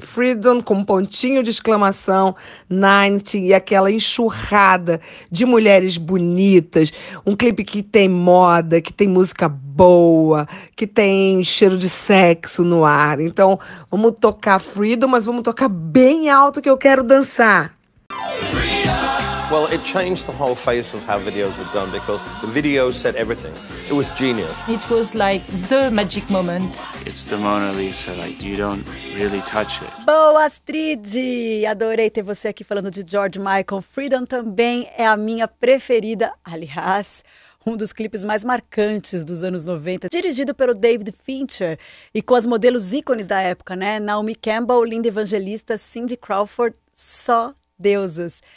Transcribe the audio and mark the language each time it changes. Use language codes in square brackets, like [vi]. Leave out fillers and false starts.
[pt] Freedom com um pontinho de exclamação. 90 e aquela enxurrada de mulheres bonitas. Um clipe que tem moda, que tem música boa, que tem cheiro de sexo no ar. Então, vamos tocar Freedom, mas vamos tocar bem alto que eu quero dançar. [en] Well, it changed the whole face of how videos were done because the video said everything. It was genius. It was like the magic moment. It's the Mona Lisa, like you don't really touch it. [pt] Boa, Astrid! Adorei ter você aqui falando de George Michael. Freedom também é a minha preferida, aliás, um dos clipes mais marcantes dos anos 90, dirigido pelo David Fincher e com as modelos ícones da época, né? Naomi Campbell, Linda Evangelista, Cindy Crawford, só deusas.